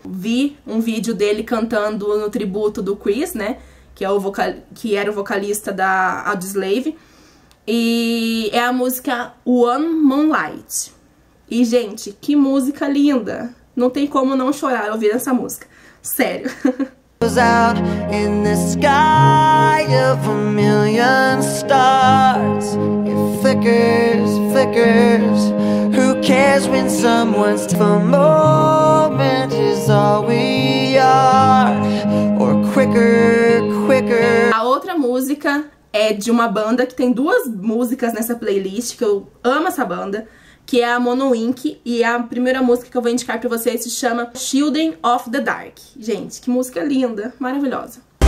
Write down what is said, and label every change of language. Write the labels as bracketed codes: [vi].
[pt] Vi um vídeo dele cantando no tributo do Chris, né? Que era o vocalista da Audioslave. E é a música One Moonlight. E, gente, que música linda! Não tem como não chorar ouvir essa música. Sério. [en] Out in the sky of a million stars. It flickers, flickers. Who cares when someone's for moment is all we are. Or quicker, quicker. [pt] A outra música é de uma banda que tem duas músicas nessa playlist, que eu amo essa banda, que é a Monoink, e a primeira música que eu vou indicar pra vocês se chama Children of the Dark. Gente, que música linda, maravilhosa.